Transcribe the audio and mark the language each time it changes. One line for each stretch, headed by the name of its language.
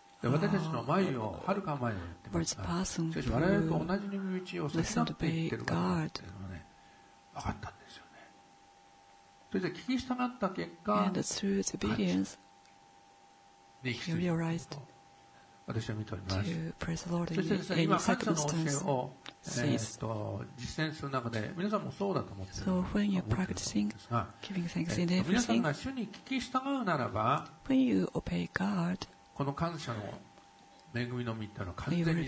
Japanese: で、私たちの前をはるか前を言ってますが、しかし我々と同じ道を進んでいってるからっていうのはね、分かったんです。それで聞き従った結果、
English: and through the obedience, he realized to praise the Lord in any circumstance.
Japanese: So, 実践する中で皆さんもそうだと思っている。
English: So, when you're practicing giving thanks in everything,
Japanese: 皆さんが主に聞き従うならば、
English: when you obey God,
Japanese: この感謝の恵みの実というのは完全に